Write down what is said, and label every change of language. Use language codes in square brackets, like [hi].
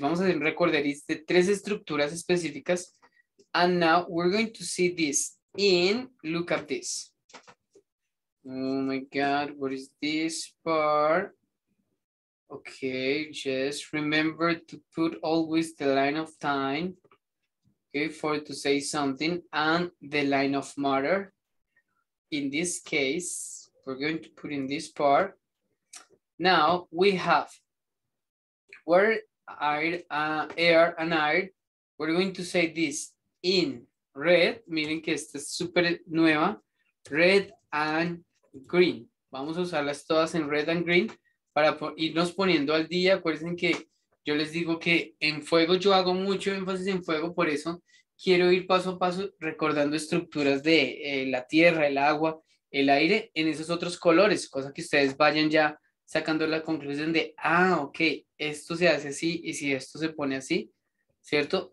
[es] Vamos a hacer un recorderis de tres estructuras específicas. [en] And now we're going to see this in, look at this. Oh my God, what is this part? Okay, just remember to put always the line of time, okay, for to say something, and the line of matter. In this case, we're going to put in this part. Now we have water, air, and air. We're going to say this in red. [es] Miren que esta es super nueva. [en] Red and green. [es] Vamos a usarlas todas en [en] red and green [es] para irnos poniendo al día. Acuérdense que yo les digo que en fuego, yo hago mucho énfasis en fuego, por eso quiero ir paso a paso recordando estructuras de la tierra, el agua, el aire, en esos otros colores, cosa que ustedes vayan ya sacando la conclusión de, ah, ok, esto se hace así, y si esto se pone así, ¿cierto?